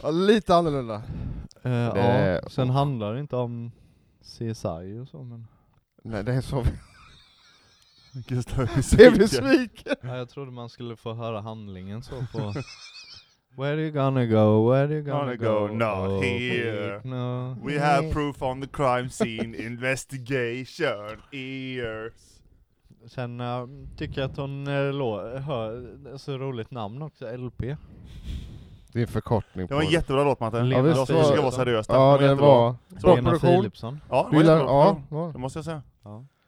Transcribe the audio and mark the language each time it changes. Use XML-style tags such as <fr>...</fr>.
<sv>Ja, lite annorlunda. Ja, sen handlar det inte om CSI och så. Men... Nej, det är så vi... Gustav är besviken. Ja, jag trodde man skulle få höra handlingen så på...</sv> <en>Where are you gonna go? Where are you gonna go? Not oh, here. No. We have proof on the crime scene. Investigation. Ears.</en> <sv>Sen tycker jag att hon hör så roligt namn också. LP. Det är en förkortning. Det var en jättebra låt, Matte. Ja, det var så jävla seriöst. Ja, det var. Lena Philipsson. Ja, det var jättebra. Det måste jag säga. Ja.</sv>